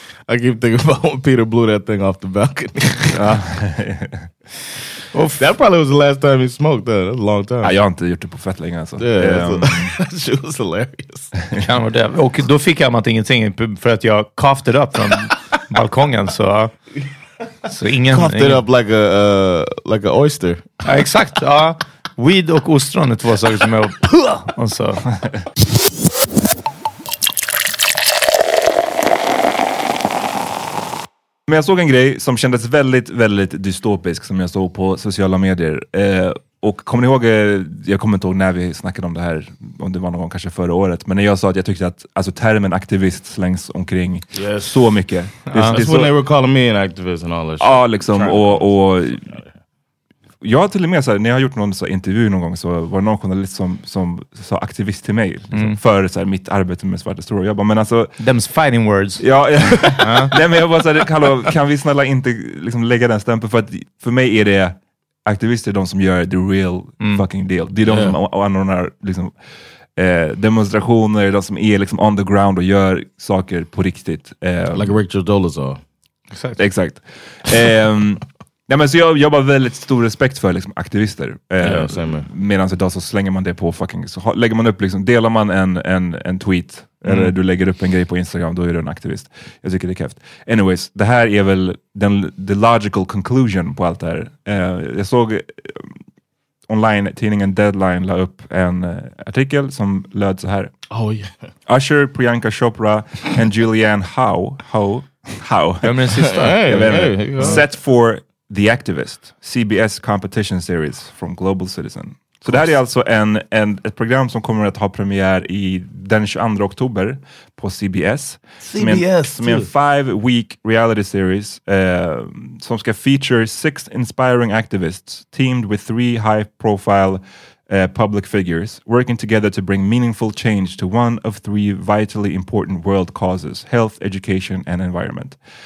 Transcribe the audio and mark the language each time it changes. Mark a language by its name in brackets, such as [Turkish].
[English] I keep thinking about when Peter blew that thing off the balcony. That probably was the last time he smoked that. That was a long time. [Swedish] Jag har inte gjort det på fett länge. [English] Yeah, she was hilarious. [Swedish] Kan vara det. Och då fick jag inte ingenting för att jag [English] coughed it up [Swedish] från balkongen. Så ingen. [English] Coughed it up like a oyster. [Swedish] Exakt. Weed och ostron är två saker som jag. Och så. Men jag såg en grej som kändes väldigt, väldigt dystopisk som jag såg på sociala medier. Och kommer ni ihåg, jag kommer inte ihåg när vi snackade om det här, om det var någon gång kanske förra året. Men när jag sa att jag tyckte att alltså, termen aktivist slängs omkring så mycket. [English] That's when they were calling me an activist and all that shit. [Swedish] Ja, liksom. Och jag har till och med så här, när jag har gjort någon så här, intervju någon gång, så var det någon journalist som sa aktivist till mig liksom, för så här, mitt arbete med svarta stora. Jag bara, men alltså, [English] them's fighting words. [Swedish] Ja, ja. Nej, men jag bara så här, hallå, kan vi snälla inte liksom, lägga den stämpeln, för att för mig är det aktivister de som gör [English] the real fucking deal. [Swedish] Det är de som anordnar liksom, demonstrationer, de som är liksom, [English] on the ground [Swedish] och gör saker på riktigt. [English] Like Richard Dolezal. [Swedish] Exakt. Nej, men så jag har väldigt stor respekt för liksom, aktivister. Medan idag så slänger man det på fucking... Så lägger man upp liksom, delar man en tweet eller du lägger upp en grej på Instagram, då är du en aktivist. Jag tycker det är kräft. Anyways, det här är väl [English] the logical conclusion [Swedish] på allt det här. Jag såg online-tidningen Deadline la upp en artikel som löd så här. [English] Oh, yeah. Usher, Priyanka Chopra and Julianne Hough. [Swedish] Jag menar sista. [English] Set for... The Activist, CBS competition series from Global Citizen. [Swedish] Så det här är alltså ett program som kommer att ha premiär i den 22 oktober på CBS. Som är en [English] 5-week reality series [Swedish] som ska [English] feature 6 inspiring activists teamed with 3 high-profile public figures working together to bring meaningful change to one of 3 vitally important world causes: health, education and environment.